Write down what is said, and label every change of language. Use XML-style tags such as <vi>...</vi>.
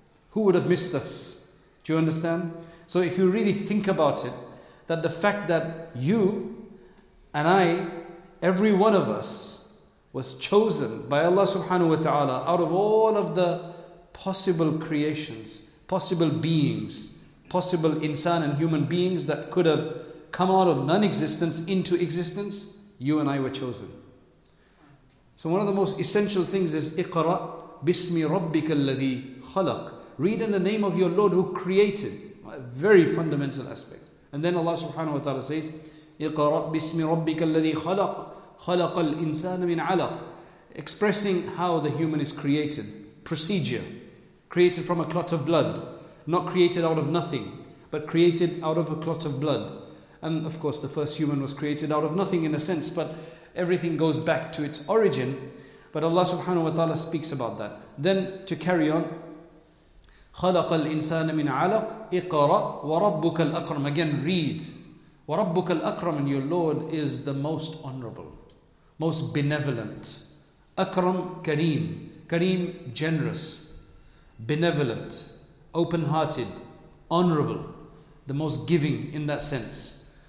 <en>Who would have missed us? Do you understand? So if you really think about it, that the fact that you and I, every one of us, was chosen by Allah subhanahu wa ta'ala out of all of the possible creations, possible beings, possible insan and human beings that could have come out of non-existence into existence, you and I were chosen. So one of the most essential things is</en> <ar>اقرأ بِسْمِ رَبِّكَ الَّذِي خَلَقْ.</ar> <en>Read in the name of your Lord who created. A very fundamental aspect. And then Allah subhanahu wa ta'ala says,</en> <ar>اقرأ بِسْمِ رَبِّكَ الَّذِي خَلَقْ خَلَقَ الْإِنسَانَ مِنْ عَلَقٍ.</ar> <en>Expressing how the human is created. Procedure. Created from a clot of blood. Not created out of nothing, but created out of a clot of blood. And of course, the first human was created out of nothing in a sense, but everything goes back to its origin. But Allah subhanahu wa ta'ala speaks about that. Then to carry on,</en> <ar>خَلَقَ الْإِنسَانَ مِنْ عَلَقٍ اقْرَأْ وَرَبُّكَ الْأَكْرَمُ.</ar> <en>Again, read.</en> <ar>وَرَبُّكَ الْأَكْرَمُ.</ar> <en>And your Lord is the most honorable, most benevolent. Akram, Kareem. Kareem, generous. benevolent, open-hearted, honorable, the most giving in that sense.</en>